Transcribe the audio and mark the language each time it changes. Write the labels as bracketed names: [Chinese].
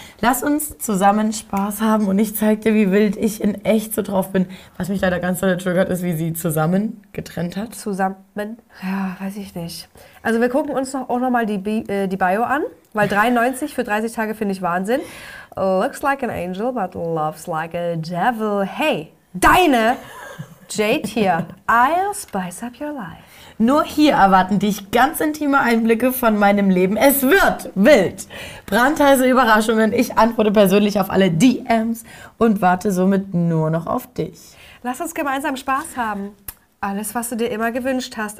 [German] Lass uns zusammen Spaß haben und ich zeig dir, wie wild ich in echt so drauf bin. Was mich leider ganz doll triggert, ist, wie sie zusammen getrennt hat. Zusammen? Ja, weiß ich nicht. Also wir gucken uns auch noch mal die Bio an, weil 93 für 30 Tage finde ich Wahnsinn. [English] Looks like an angel, but loves like a devil. [German] Hey, deine Jade hier. [English] I'll spice up your life. [German] Nur hier erwarten dich ganz intime Einblicke von meinem Leben. Es wird wild. Brandheiße Überraschungen. Ich antworte persönlich auf alle DMs und warte somit nur noch auf dich. Lass uns gemeinsam Spaß haben. Alles, was du dir immer gewünscht hast.